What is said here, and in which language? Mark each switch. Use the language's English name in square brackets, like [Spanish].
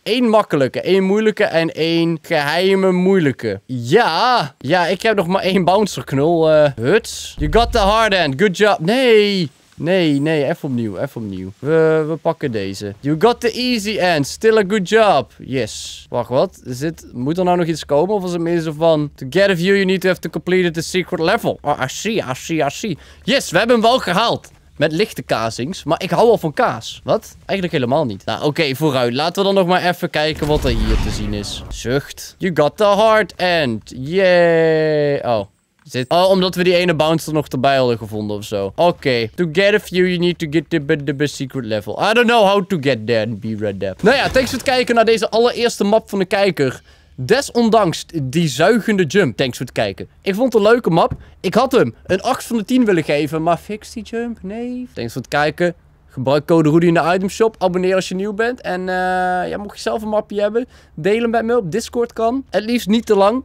[Dutch] 1 makkelijke, 1 moeilijke en 1 geheime moeilijke. Ja. Ja, ik heb nog maar 1 bouncer knul. [English] Huts. You got the hard end. Good job. [Dutch] Nee. Nee. Even opnieuw. We pakken deze. [English] You got the easy end. Still a good job. Yes. [Dutch] Wacht, wat? Is dit... Moet er nou nog iets komen? Of is het meer zo van... [English] To get a view, you need to have to complete the secret level. Oh, I see. [Dutch] Yes, we hebben hem wel gehaald. Met lichte kazings. Maar ik hou al van kaas. Wat? Eigenlijk helemaal niet. Nou, oké, vooruit. Laten we dan nog maar even kijken wat er hier te zien is. [English] Zucht. You got the hard end. Yay. Oh. Zit. [Dutch] Oh, omdat we die ene bouncer nog erbij hadden gevonden of zo. Oké. [English] To get a view, you need to get the secret level. I don't know how to get there, be red dead. [Dutch] Nou ja, thanks voor het kijken naar deze allereerste map van de kijker. Desondanks die zuigende jump. Thanks voor het kijken. Ik vond het een leuke map. Ik had hem een 8 van de 10 willen geven, maar fix die jump? Nee. Thanks voor het kijken. Gebruik code Rudy in de itemshop. Abonneer als je nieuw bent. En ja, mocht je zelf een mapje hebben, deel hem met me op Discord kan. Het liefst niet te lang.